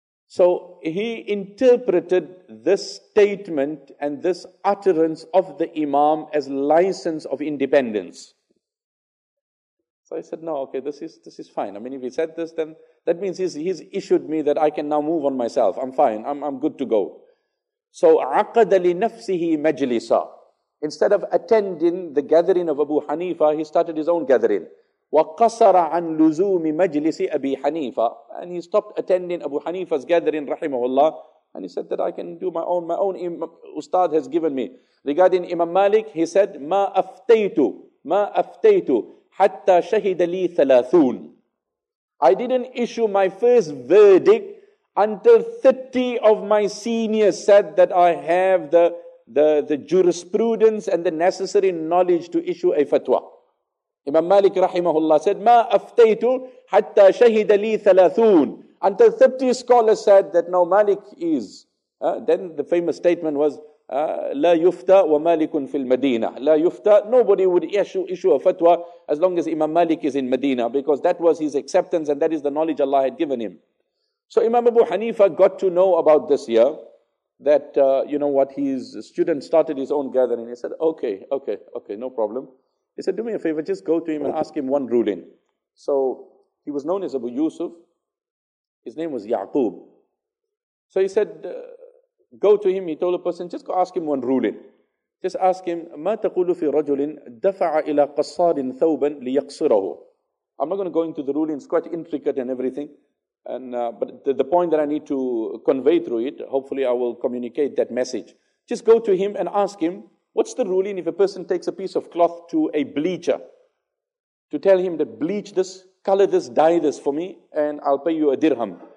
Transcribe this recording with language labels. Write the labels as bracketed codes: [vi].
[en] So he interpreted this statement and this utterance of the Imam as license of independence. So I said, no, okay, this is fine. I mean, if he said this, then that means he's issued me that I can now move on myself. I'm fine. I'm good to go. [ar] So عقد لنفسه مجلسا. [en] Instead of attending the gathering of Abu Hanifa, he started his own gathering. [ar] وقصر عن لزوم مجلس أبي حنيفة. [en] And he stopped attending Abu Hanifa's gathering, [ar] رحمه الله. [en] And he said that I can do my own ustad has given me. Regarding Imam Malik, he said, [ar] ما أفتيت حتى شهد لي ثلاثون. [en] I didn't issue my first verdict until 30 of my seniors said that I have the jurisprudence and the necessary knowledge to issue a fatwa. Imam Malik rahimahullah said, [ar] "Ma aftaytu hatta shahida li thalathun." [en] Until 30 scholars said that no, Malik is. Then the famous statement was, [ar] "La yufta wa Malikun fil Madina." La yufta. [en] Nobody would issue a fatwa as long as Imam Malik is in Medina, because that was his acceptance and that is the knowledge Allah had given him. So Imam Abu Hanifa got to know about this year that his student started his own gathering. He said, "Okay, no problem." He said, do me a favor, just go to him and ask him one ruling. So he was known as Abu Yusuf. His name was Ya'qub. So he said, go to him. He told a person, just go ask him one ruling. Just ask him, [ar] مَا تَقُولُ فِي رَجُلٍ دَفَعَ إِلَىٰ قَصَّارٍ ثَوْبًا لِيَقْصِرَهُ. [en] I'm not going to go into the ruling. It's quite intricate and everything. But the point that I need to convey through it, hopefully I will communicate that message. Just go to him and ask him, what's the ruling if a person takes a piece of cloth to a bleacher to tell him that bleach this, color this, dye this for me, and I'll pay you a dirham.